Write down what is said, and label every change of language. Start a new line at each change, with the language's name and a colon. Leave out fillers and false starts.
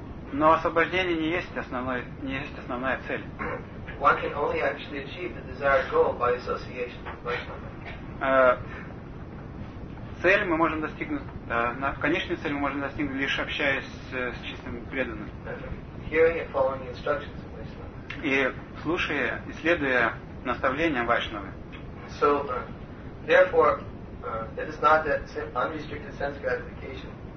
Russian: Но освобождение не есть основной, не есть основная цель.
English: One can only actually achieve the desired goal by association with Vaishnava.
Russian: Цель мы можем достигнуть, конечную цель мы можем достигнуть, лишь общаясь с чистым преданным.
English: Hearing and following instructions of Vaishnava.
Russian: И слушая, исследуя наставления Вайшнавы.
English: So, therefore, it is not that unrestricted sense gratification.